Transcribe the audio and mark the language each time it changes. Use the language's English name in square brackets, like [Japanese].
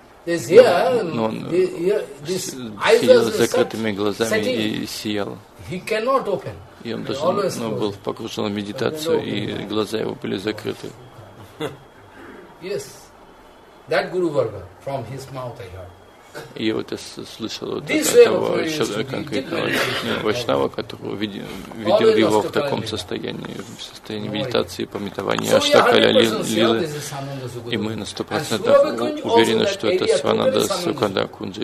[Russian] Но он сидел с закрытыми глазами и сиял. И он даже, ну, был погружен в медитацию, и глаза его были закрыты. [English] Yes, that Guru Varga, from his mouth I heard. [Russian] И вот я слышал вот этого человека, конкретного Вайшнава, который видел его в таком состоянии, в состоянии медитации, памятования Аштакаля Лилы. И мы на 100% уверены, что это Свананда Сукханда Кунджа.